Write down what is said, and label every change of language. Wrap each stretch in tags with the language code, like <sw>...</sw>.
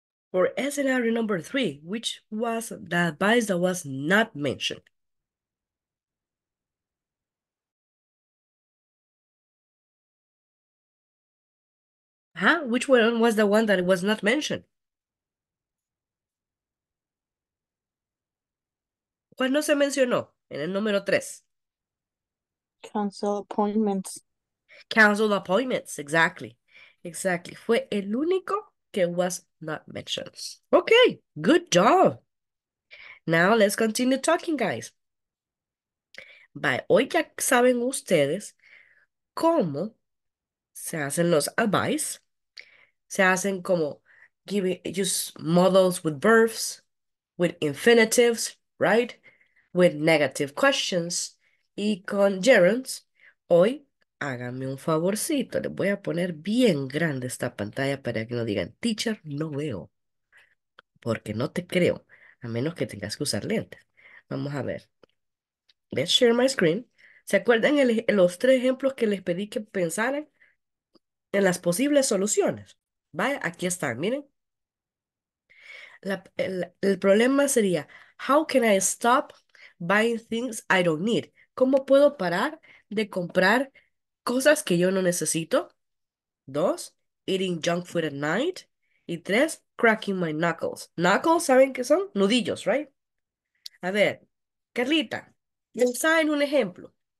<en>For scenario number three, which was the advice that was not mentioned? Huh? Which one was the one that was not mentioned?</en> <es>¿Cuál no se mencionó en el número tres?</es> <en>Cancel appointments. Cancel appointments, exactly. Exactly.</en> <es>Fue el único que</es> <en>was not mentioned. Okay, good job. Now let's continue talking, guys. Bye.</en> <es>Hoy ya saben ustedes cómo se hacen los advice. Se hacen como</es> <en>giving use models with verbs, with infinitives, right? With negative questions</en> <es>y con</es> <en>gerunds.</en> <es>Hoy, háganme un favorcito. Les voy a poner bien grande esta pantalla para que no digan, teacher, no veo. Porque no te creo, a menos que tengas que usar lentes. Vamos a ver.</es> <en>Let's share my screen.</en> <es>¿Se acuerdan los tres ejemplos que les pedí que pensaran en las posibles soluciones? Vaya, aquí están, miren. El problema sería,</es> <en>how can I stop buying things I don't need?</en> <es>¿Cómo puedo parar de comprar cosas que yo no necesito?</es> <en>Dos, eating junk food at night.</en> <es>Y tres,</es> <en>cracking my knuckles.</en> <es>Knuckles, ¿saben qué son? Nudillos, right? A ver, Carlita, piensa en un ejemplo.</es>